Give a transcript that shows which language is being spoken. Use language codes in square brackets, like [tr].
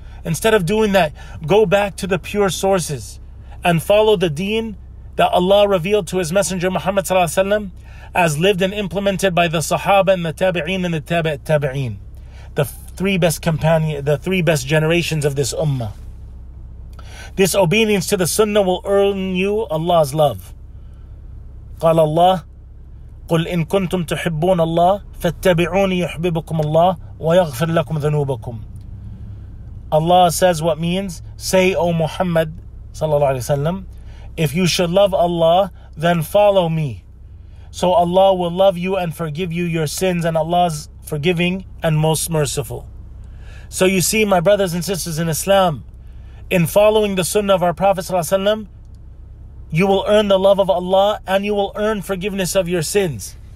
[en] Instead of doing that, go back to the pure sources and follow the deen that Allah revealed to His Messenger Muhammad sallallahu alaihi wasallam, as lived and implemented by the Sahaba and the Tabi'een and the Tabi'at Tabi'een. The 3 best companions, the 3 best generations of this ummah. This obedience to the sunnah will earn you Allah's love. قال الله [ar] قل إن كنتم تحبون الله فاتبعوني يحببكم الله ويغفر لكم ذنوبكم. [en] Allah says what means, say, O Muhammad sallallahu alaihi wasallam, if you should love Allah, then follow me. So Allah will love you and forgive you your sins, and Allah's forgiving and most merciful. So you see, my brothers and sisters in Islam, in following the sunnah of our Prophet ﷺ, you will earn the love of Allah and you will earn forgiveness of your sins.